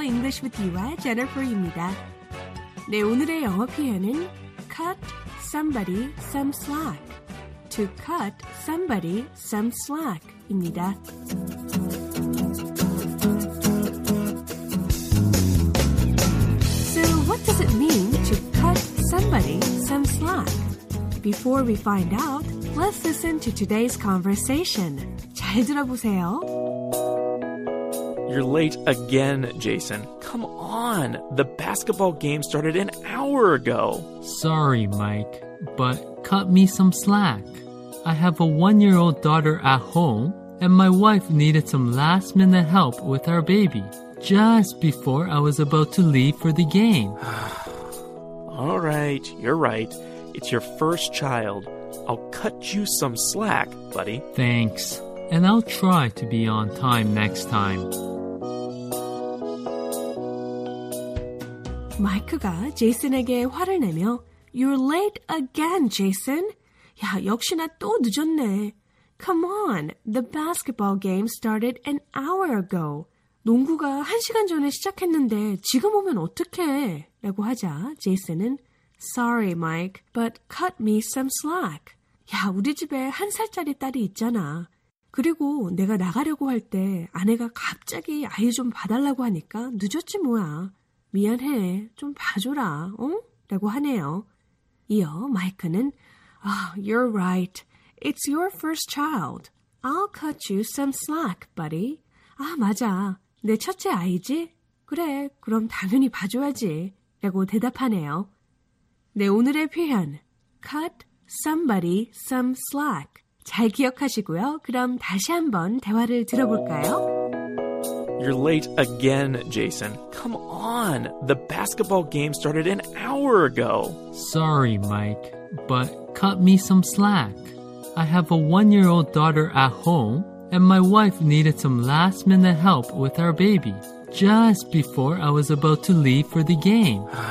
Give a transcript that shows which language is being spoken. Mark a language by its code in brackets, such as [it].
[ko] English with you와 Jennifer입니다. 네, 오늘의 영어 표현은 cut somebody some slack. [en] To cut somebody some slack [ko] 입니다. [en] So what does it mean to cut somebody some slack? Before we find out, let's listen to today's conversation. [ko] 잘 들어보세요. [en] You're late again, Jason. Come on, the basketball game started an hour ago. Sorry, Mike, but cut me some slack. I have a 1-year-old daughter at home, and my wife needed some last-minute help with our baby just before I was about to leave for the game. All right, you're right. It's your first child. I'll cut you some slack, buddy. Thanks, and I'll try to be on time next time. [ko] 마이크가 제이슨에게 화를 내며 [en] You're late again, Jason. [ko] 야, 역시나 또 늦었네. [en] Come on, the basketball game started an hour ago. [ko] 농구가 한 시간 전에 시작했는데 지금 오면 어떡해? 라고 하자 제이슨은 [en] Sorry, Mike, but cut me some slack. [ko] 야, 우리 집에 한 살짜리 딸이 있잖아. 그리고 내가 나가려고 할 때 아내가 갑자기 아이 좀 봐달라고 하니까 늦었지 뭐야. 미안해, 좀 봐줘라, 응? 라고 하네요. 이어 마이크는 [en] Oh, you're right. It's your first child. I'll cut you some slack, buddy. [ko] 아, 맞아. 내 첫째 아이지? 그래, 그럼 당연히 봐줘야지. 라고 대답하네요. 네, 오늘의 표현. Cut somebody some slack. 잘 기억하시고요. 그럼 다시 한번 대화를 들어볼까요? [en] You're late again, Jason. Come on. The basketball game started an hour ago. Sorry, Mike, but cut me some slack. I have a one-year-old daughter at home, and my wife needed some last-minute help with our baby just before I was about to leave for the game.